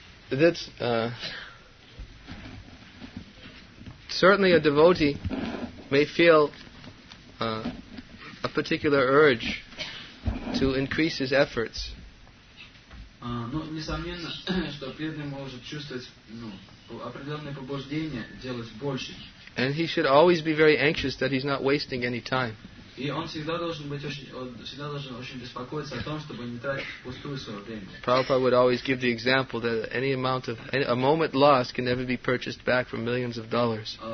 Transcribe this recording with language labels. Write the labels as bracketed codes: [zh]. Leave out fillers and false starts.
[en] Yes. That's certainly a devotee may feel a particular urge to increase his efforts. [ru] Несомненно, что преданный может чувствовать определенное побуждение делать больше. [en] And he should always be very anxious that he's not wasting any time. [ru] И он всегда должен беспокоиться о том, чтобы не тратить впустую свое время. [en] Prabhupada would always give the example that any amount of a moment lost can never be purchased back for millions of dollars.